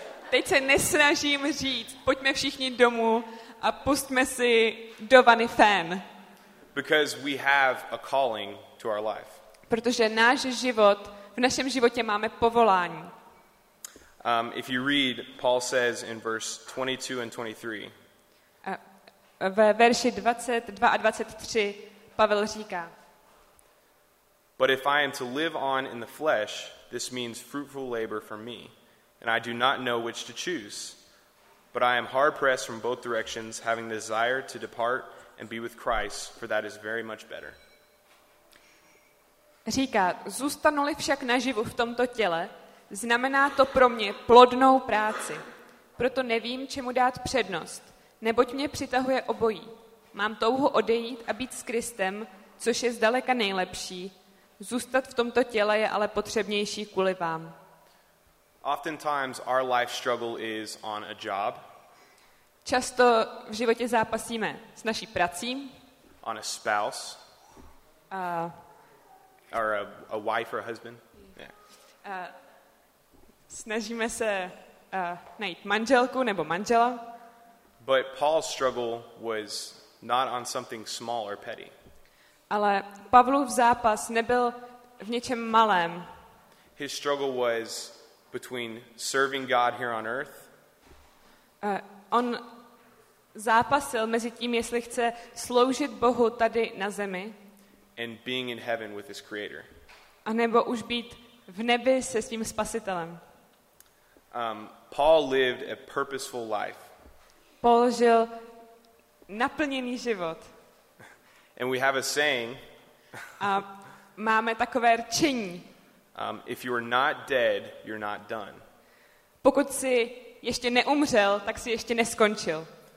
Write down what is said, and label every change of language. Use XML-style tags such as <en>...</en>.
<cs>Teď se nesnažím říct, pojďme všichni domů a pustme si do vany fén.</cs> <en>Because we have a calling to our life.</en> <cs>Protože náš život, v našem životě máme povolání.</cs> <en>If you read, Paul says in verse 22 and 23.</en> <cs>Ve verši 22 a 23 Pavel říká.</cs> <en>But if I am to live on in the flesh, this means fruitful labor for me, and I do not know which to choose. But I am hard pressed from both directions, having the desire to depart and be with Christ, for that is very much better.</en> <cs>Říká, zůstanu-li však naživu v tomto těle, znamená to pro mě plodnou práci. Proto nevím, čemu dát přednost, neboť mě přitahuje obojí. Mám touhu odejít a být s Kristem, což je zdaleka nejlepší. Zůstat v tomto těle je ale potřebnější kvůli vám.</cs> <en>Oftentimes our life struggle is on a job.</en> <cs>Často v životě zápasíme s naší prací.</cs> <en>On a spouse. Or a wife or a husband.</en> <cs>Snažíme se najít manželku nebo manžela.</cs> <en>But Paul's struggle was not on something small or petty.</en> <cs>Ale Pavlův zápas nebyl v něčem malém.</cs> <en>His struggle was between serving God here on earth.</en> <cs>On zápasil mezi tím, jestli chce sloužit Bohu tady na zemi.</cs> <en>And being in heaven with his creator.</en> <cs>A nebo už být v nebi se svým spasitelem.</cs> <en>Paul lived a purposeful life.</en> <cs>Paul žil naplněný život.</cs> <en>And we have a saying.</en> <cs>A máme takové rčení.</cs> <en>If you are not dead, you're not done.</en> <cs>Pokud jsi ještě neumřel, tak jsi ještě neskončil.</cs>